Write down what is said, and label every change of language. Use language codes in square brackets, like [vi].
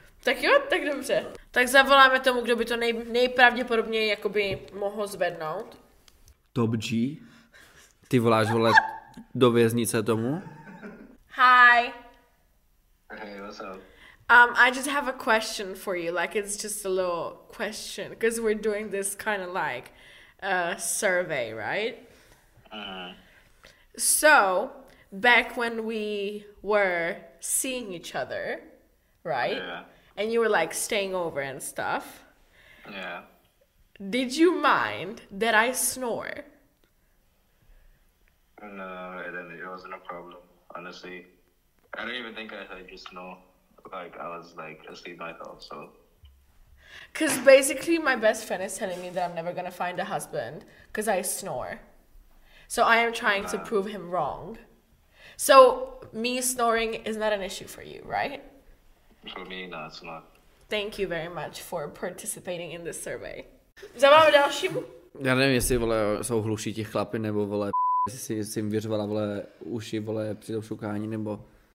[cs] Tak jo, tak dobře. Tak zavoláme tomu, kdo by to nejpravděpodobněji jakoby mohl zvednout. Top G? Ty voláš, vole, do věznice tomu? [en] Hi. Hey, what's up? I just have a question for you, like it's just a little question, because we're doing this kind of like a survey, right? So, back when we were seeing each other, right? Yeah. And you were like staying over and stuff. Yeah. Did you mind that I snore? No, it wasn't a problem, honestly. I don't even think I heard you snore. Like, I was, like, asleep myself, so. Because basically my best friend is telling me that I'm never going to find a husband because I snore. So I am trying to prove him wrong. So me snoring is not an issue for you, right? For me, no, it's not. Thank you very much for participating in this survey. [cs] Zavoláme další? Já nevím, jestli, vole, jsou hluší těch chlapy, nebo, vole, jestli si jim věřovala, vole, uši, vole, při tom šukání, nebo...